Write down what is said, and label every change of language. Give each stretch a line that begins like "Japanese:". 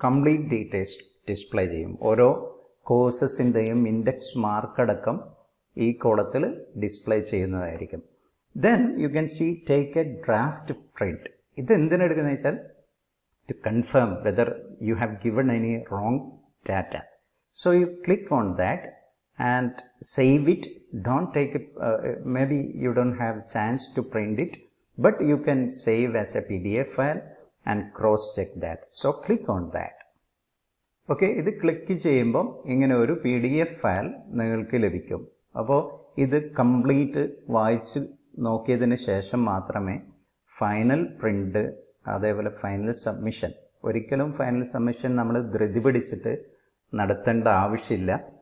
Malayalam: Complete details display ചെയ്യും. ഓരോ കോഴ്സസിൻ്റെയും index മാർക്കടക്കം ഈ കോളത്തിൽ ഡിസ്പ്ലേ ചെയ്യുന്നതായിരിക്കും.
English: Then you can see take a draft print.
Malayalam: ഇത് എന്തിനെടുക്കുന്നത് വെച്ചാൽ
English: To confirm whether you have given any wrong data. So you click on that and save it. Don't take it, maybe you don't have chance to print it, but you can save as a PDF file and cross check that. So click on that.
Malayalam: Okay, ഇത് click ചെയ്യുമ്പം ഇങ്ങനെ ഒരു PDF file നിങ്ങൾക്ക് ലഭിക്കും. അപ്പോൾ ഇത് complete വായിച്ച് നോക്കിയതിന് ശേഷം മാത്രമേ ഫൈനൽ പ്രിൻ്റ് അതേപോലെ ഫൈനൽ സബ്മിഷൻ, ഒരിക്കലും ഫൈനൽ സബ്മിഷൻ നമ്മൾ ധൃതി പിടിച്ചിട്ട് നടത്തേണ്ട ആവശ്യമില്ല.